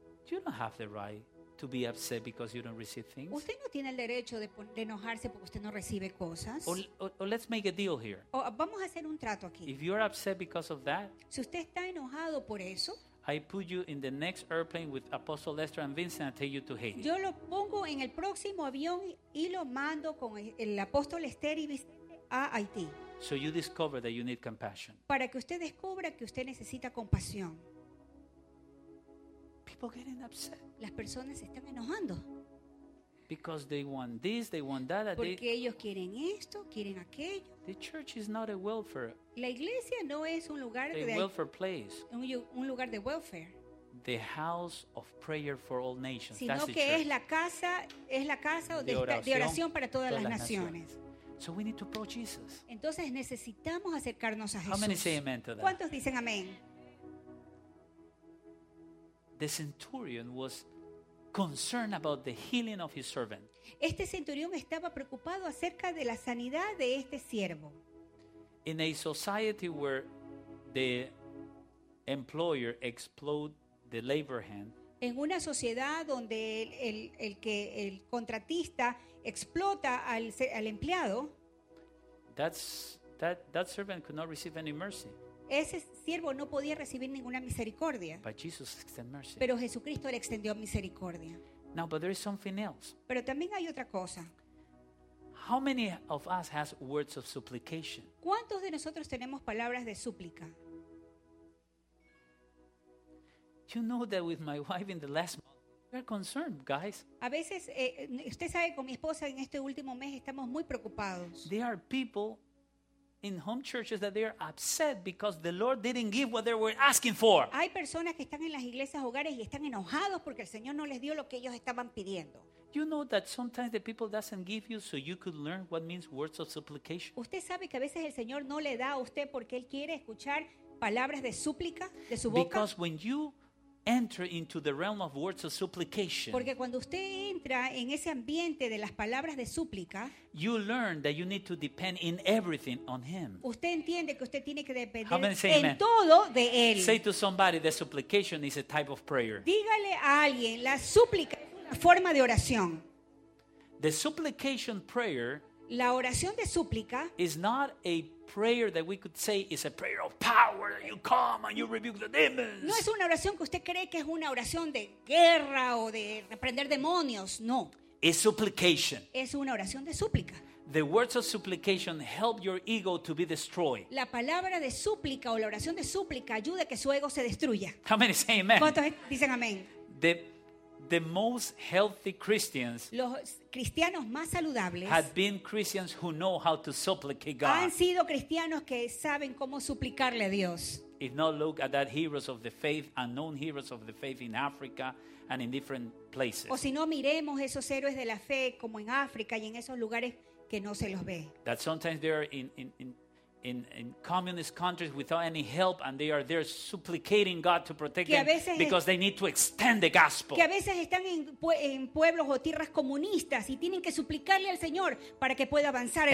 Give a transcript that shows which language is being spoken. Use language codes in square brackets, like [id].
[en] You don't have the right to be upset because you don't receive things. [es] Usted no tiene el derecho de enojarse porque usted no recibe cosas. [en] Or let's make a deal here. [es] O vamos a hacer un trato aquí. [en] If you're upset because of that, [es] si usted está enojado por eso, [en] I put you in the next airplane with Apostle Lester and Vincent and take you to Haiti. [es] Yo lo pongo en el próximo avión y lo mando con el Apóstol Lester y Vicente a Haití. [en] So you discover that you need compassion. [es] Para que usted descubra que usted necesita compasión. [en] People getting upset. [es] Las personas están enojando. [en] Because they want this, they want that. [es] Porque ellos quieren esto, quieren aquello. [en] The church is not a welfare. [es] La iglesia no es un lugar de [en] welfare place. [es] Un lugar de welfare. [en] the house of prayer for all nations, [es] sino [en] that's the [es] que [en] church. [es] es la casa de oración para todas las naciones. [en] So we need to approach Jesus. [es] Entonces necesitamos acercarnos a Jesús. [en] How many say amen to that? [es] ¿Cuántos dicen amén? [en] The centurion was concerned about the healing of his servant. [es] Este centurión estaba preocupado acerca de la sanidad de este siervo. [en] In a society where the employer exploits the labor hand. [es] En una sociedad donde el contratista explota al empleado. [en] That servant could not receive any mercy. [es] Ese siervo no podía recibir ninguna misericordia. [en] But Jesus extended mercy. [es] Pero Jesucristo le extendió misericordia. [en] Now, but there is something else. [es] Pero también hay otra cosa. [en] How many of us has words of supplication? [es] ¿Cuántos de nosotros tenemos palabras de súplica? [en] You know that with my wife in the last month, we're concerned, guys. [es] A veces, usted sabe, con mi esposa en este último mes estamos muy preocupados. [en] There are people in home churches that they are upset because the Lord didn't give what they were asking for. [es] Hay personas que están en las iglesias hogares y están enojados porque el Señor no les dio lo que ellos estaban pidiendo. [en] You know that sometimes the people doesn't give you so you could learn what means words of supplication. [es] Usted sabe que a veces el Señor no le da a usted porque él quiere escuchar palabras de súplica de su boca. [en] Because when you enter into the realm of words of supplication, [es] porque cuando usted entra en ese ambiente de las palabras de súplica, [en] you learn that you need to depend in everything on him. [es] Usted entiende que usted tiene que depender en todo de él. [en] Say to somebody the supplication is a type of prayer. [es] Dígale a alguien, la súplica es una forma de oración. [en] The supplication prayer, [es] la oración de súplica, [en] is not a prayer that we could say is a prayer of power, you come and you rebuke the demons. [es] No es una oración que usted cree que es una oración de guerra o de reprender demonios, no. [en] It's supplication. [es] Es una oración de súplica. [en] The words of supplication help your ego to be destroyed. [es] La palabra de súplica o la oración de súplica ayuda a que su ego se destruya. [en] How many say amen? [es] ¿Cuántos dicen amén? [en] The most healthy Christians, [es] los cristianos más saludables, [en] have been Christians who know how to supplicate God. [es] Han sido cristianos que saben cómo suplicarle a Dios. [en] If not, look at that heroes of the faith, unknown heroes of the faith in Africa and in different places. [es] O si no, miremos esos héroes de la fe como en África y en esos lugares que no se los ve. [en] That sometimes they are in communist countries without any help and they are there supplicating God to protect them because they need to extend the gospel. [es] Que a veces están en pueblos o tierras comunistas y tienen que suplicarle al Señor para que pueda avanzar el